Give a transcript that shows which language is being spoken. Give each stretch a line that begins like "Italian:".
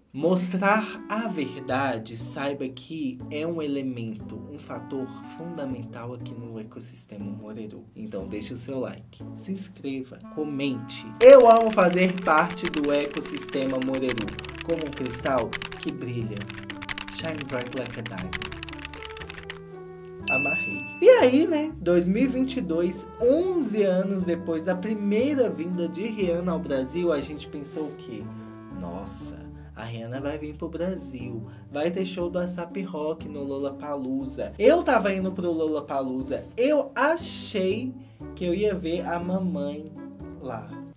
Portuguese: Mostrar a verdade, saiba que é um elemento, um fator fundamental aqui no ecossistema Moreru. Então deixe o seu like, se inscreva, comente. Eu amo fazer parte do ecossistema Moreru, como um cristal que brilha.
English: Shine bright like a diamond.
Portuguese: Amarrei. E aí, né? 2022, 11 anos depois da primeira vinda de Rihanna ao Brasil, a gente pensou o quê? Nossa, a Rihanna vai vir pro Brasil. Vai ter show do ASAP Rock no Lollapalooza. Eu tava indo pro Lollapalooza. Eu achei que eu ia ver a mamãe lá.